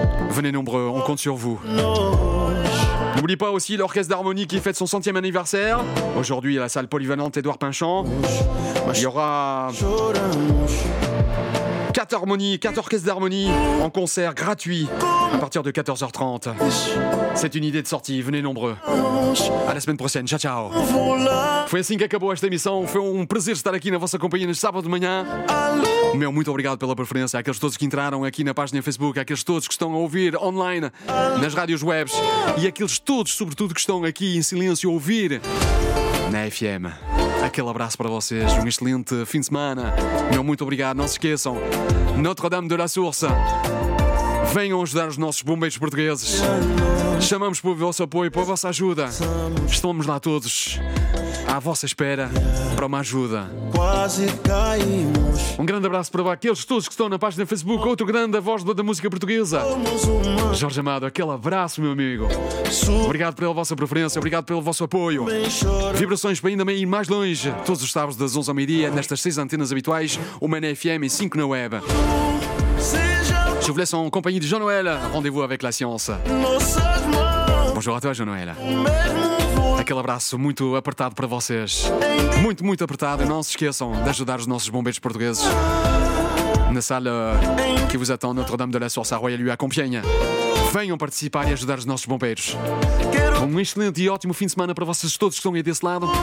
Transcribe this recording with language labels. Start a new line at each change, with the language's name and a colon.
French: Venez nombreux, on compte sur vous. N'oublie pas aussi l'Orchestre d'Harmonie qui fête son 100e anniversaire. Aujourd'hui, à la salle polyvalente Édouard Pinchant, il y aura 4 orchestres d'harmonie en concert gratuit à partir de 14h30. C'est une idée de sortie, venez nombreux. À la semaine prochaine, ciao ciao.
Portuguese: Foi assim que acabou esta emissão. Foi um prazer estar aqui na vossa companhia neste sábado de manhã. Meu muito obrigado pela preferência. Àqueles todos que entraram aqui na página Facebook, àqueles todos que estão a ouvir online nas rádios webs e àqueles todos, sobretudo, que estão aqui em silêncio a ouvir na FM. Aquele abraço para vocês, um excelente fim de semana. Meu muito obrigado, não se esqueçam, Notre-Dame de la Source, venham ajudar os nossos bombeiros portugueses. Chamamos por vosso apoio, por vossa ajuda. Estamos lá todos à vossa espera para uma ajuda. Quase caímos. Um grande abraço para aqueles todos que estão na página do Facebook. Outro grande, a voz da música portuguesa, Jorge Amado, aquele abraço, meu amigo. Obrigado pela vossa preferência, obrigado pelo vosso apoio. Vibrações para ainda ir mais longe. Todos os sábados das 11 ao meio-dia, nestas 6 antenas habituais, uma na FM e 5 na web.
French: Je vous laisse en compagnie de Jean-Noël. Rendez-vous avec la science. Bonjour à toi, Jean-Noël.
Portuguese: Aquele abraço muito apertado para vocês. Muito, muito apertado. E não se esqueçam de ajudar os nossos bombeiros portugueses na sala que vos attend Notre-Dame de la Source à Royal-Lue à Compiègne. Venham participar e ajudar os nossos bombeiros. Um excelente e ótimo fim de semana para vocês todos que estão aí desse lado.